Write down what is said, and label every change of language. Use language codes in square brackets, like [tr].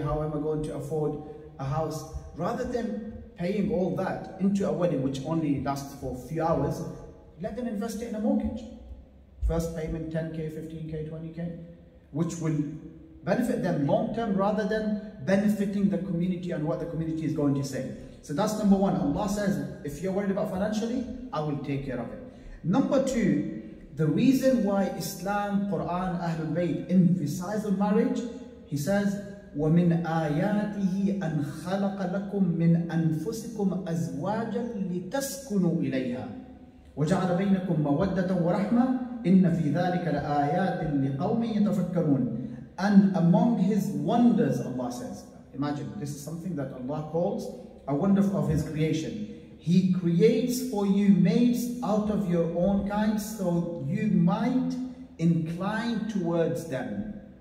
[en] How am I going to afford a house? Rather than paying all that into a wedding, which only lasts for a few hours, let them invest it in a mortgage. First payment, 10K, 15K, 20K, which will benefit them long term rather than benefiting the community and what the community is going to say. So that's number one. Allah says, if you're worried about financially, I will take care of it. [ar] Number two, the reason why Islam, Quran, Ahlul Bayt emphasize on marriage, he says, وَمِنْ آيَاتِهِ أَنْ خَلَقَ لَكُمْ مِنْ أَنفُسِكُمْ أَزْوَاجًا لِتَسْكُنُوا إِلَيْهَا وَجَعَلَ بَيْنَكُمْ مَوَدَّةً وَرَحْمَةً إِنَّ فِي ذَلِكَ لَآيَاتٍ لِقَوْمٍ يَتَفَكَّرُونَ. [en] And among his wonders, Allah says, imagine, this is something that Allah calls a wonder of his creation. He creates for you mates out of your own kind, so you might incline towards them.